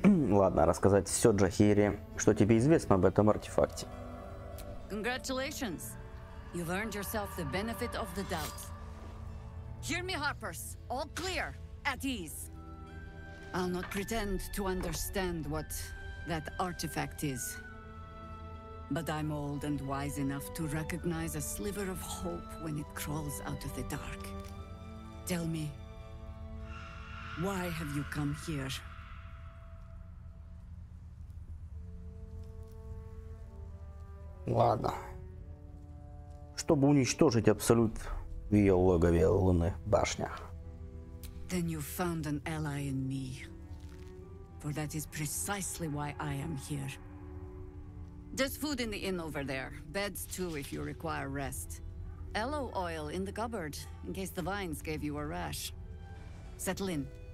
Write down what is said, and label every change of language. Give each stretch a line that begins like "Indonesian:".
Russian: Ладно, рассказать все Джахири, что тебе известно об этом артефакте.
English: Congratulations, you've earned yourself the benefit of the doubt. Hear me, Harpers, all clear, at ease. I'll not pretend to understand what that artifact is, but I'm old and wise enough to recognize a sliver of hope when it crawls out of the dark. Tell me, why have you come here?
Russian: Ладно. Чтобы уничтожить абсолют в ее логове Луны, башня.
English: Then you found an ally in me. For that is precisely why I am here. There's food in the inn over there. Beds too, if you require rest. Aloe oil in the cupboard, in case the vines gave you a rash. Settle in.